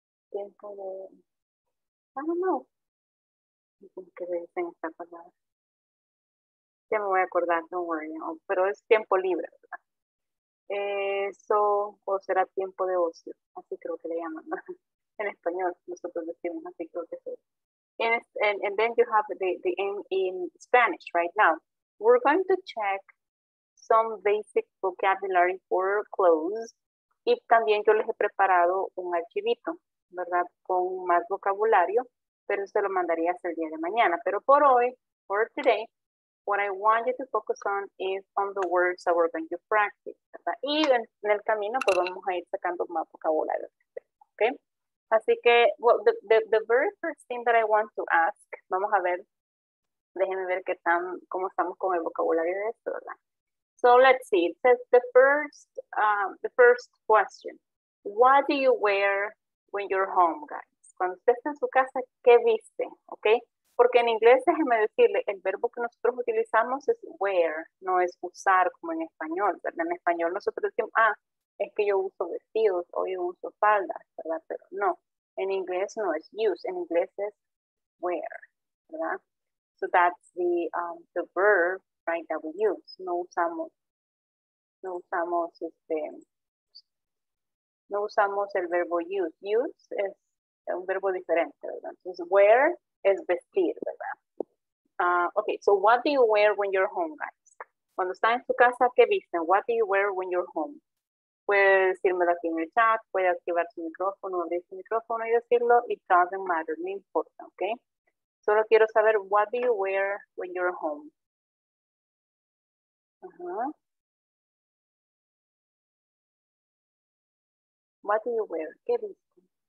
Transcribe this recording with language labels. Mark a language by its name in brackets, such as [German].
[Spanish] Tiempo de, ¿qué le dicen esta palabra? Ya me voy a acordar, [English] no worry, [Spanish] no, pero es tiempo libre, ¿verdad? Eso, o será tiempo de ocio, así creo que le llaman, ¿no? En español, nosotros decimos así, creo que es eso. [English] And then you have the end in Spanish right now. We're going to check some basic vocabulary for clothes [Spanish] Y también yo les he preparado un archivito, ¿verdad? Con más vocabulario, pero se lo mandaría hasta el día de mañana. Pero por hoy, [English] for today, what I want you to focus on is on the words that we're going to practice, ¿verdad? [Spanish] Y en el camino, pues vamos a ir sacando más vocabulario. ¿Ok? Así que, [English] well, the very first thing that I want to ask, [Spanish] vamos a ver, déjenme ver qué tan, cómo estamos con el vocabulario de esto, ¿verdad? [English] So let's see, the first question. What do you wear when you're home, guys? [Spanish] Cuando usted está en su casa, ¿qué viste? ¿Ok? Porque en inglés, déjenme decirle, el verbo que nosotros utilizamos es wear, no es usar como en español, ¿verdad? En español nosotros decimos, ah, es que yo uso vestidos o yo uso faldas, ¿verdad? Pero no, en inglés no es use, en inglés es wear, ¿verdad? [English] So that's the verb, right, that we use. [Spanish] No usamos el verbo use. Use es un verbo diferente, ¿verdad? Entonces, wear es vestir, ¿verdad? [English] Okay, so what do you wear when you're home, guys? [Spanish] Cuando están en su casa, ¿qué visten? [English] What do you wear when you're home? [Spanish] Puede decírmelo aquí en el chat, puede activar su micrófono, abrir su micrófono y decirlo. [English] It doesn't matter, [Spanish] no importa, [English] okay? [Spanish] Solo quiero saber, [English] what do you wear when you're home? Uh-huh. What do you wear? [Spanish] ¿Qué viste?